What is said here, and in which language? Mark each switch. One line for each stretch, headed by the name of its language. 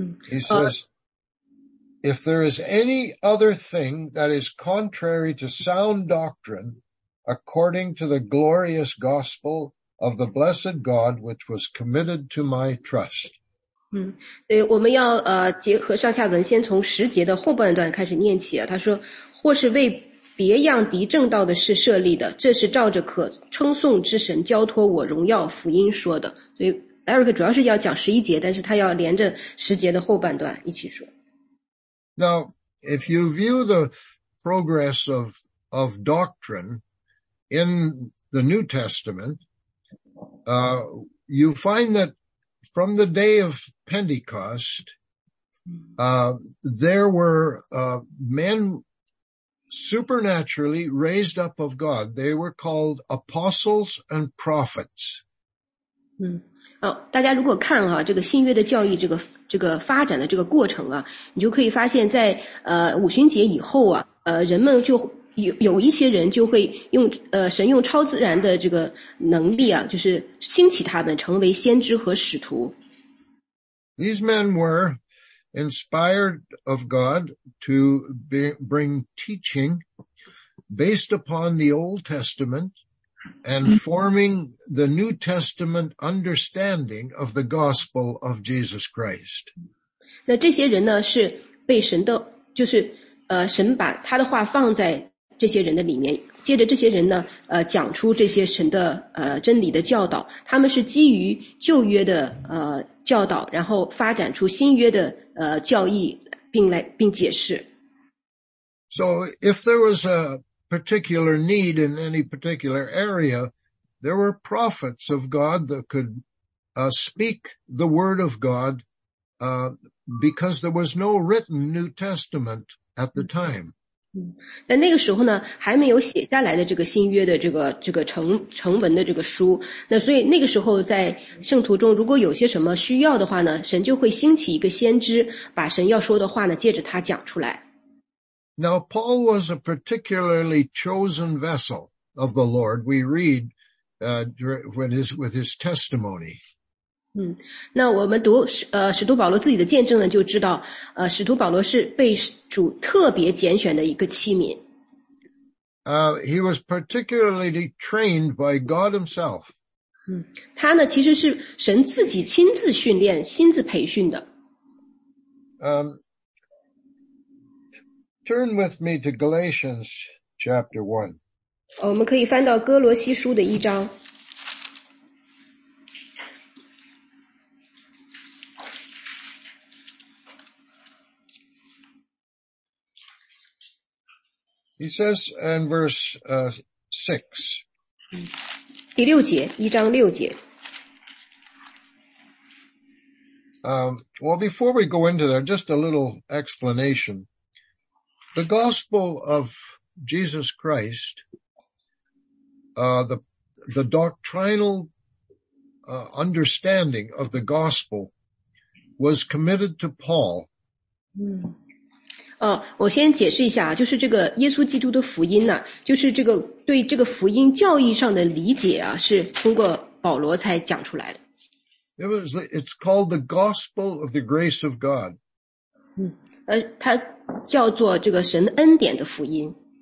English: He says, if there is any other thing that is contrary to sound doctrine, according to the glorious gospel of the blessed God, which was committed to my trust.
Chinese: 对，我们要结合上下文，先从十节的后半段开始念起啊。他说，或是为别样敌正道的事设立的，这是照着可称颂之神交托我荣耀福音说的。所以 Eric 主要是要讲十一节，但是他要连着十节的后半段一起说。
English: Now, if you view the progress of doctrine in the New Testament, you find that from the day of Pentecost, there were men supernaturally raised up of God. They were called apostles and prophets.
Chinese: 大家如果看啊，这个新约的教义这个发展的这个过程啊，你就可以发现在五旬节以后啊，人们就有一些人就会用神用超自然的这个能力啊，就是兴起他们成为先知和使徒。
English: These men were inspired of God to bring teaching based upon the Old Testament and forming the New Testament understanding of the gospel of Jesus Christ.
Chinese: 那这些人呢，是被神的，就是神把他的话放在这些人的里面，接着这些人呢，讲出这些神的真理的教导，他们是基于旧约的教导，然后发展出新约的教义，并解释。
English: So if there was a particular need in any particular area, there were prophets of God that could speak the word of God because there was no written New Testament at the time.
Chinese: 但那个时候呢，还没有写下来的这个新约的这个成文的这个书。那所以那个时候在圣徒中，如果有些什么需要的话呢，神就会兴起一个先知，把神要说的话呢，借着他讲出来。
English: Now, Paul was a particularly chosen vessel of the Lord. We read, with his testimony.
Chinese: 那我们读使徒保罗自己的见证呢，就知道使徒保罗是被主特别拣选的一个器皿。
English: He was particularly trained by God himself.
Chinese: 他呢其实是神自己亲自训练，亲自培训的。
English: Turn with me to Galatians chapter 1.
Chinese: 我们可以翻到哥罗西书的一章。
English: He says in verse 6.
Chinese: 第六节，一章六节。
English: Well, before we go into there, just a little explanation. The gospel of Jesus Christ, the doctrinal understanding of the gospel was committed to Paul.
Chinese: 我先解释一下，就是这个耶稣基督的福音呢，就是这个对这个福音教义上的理解啊，是通过保罗才讲出来的。
English: It's called the gospel of the grace of God.
Chinese: 它叫做这个神恩典的福音。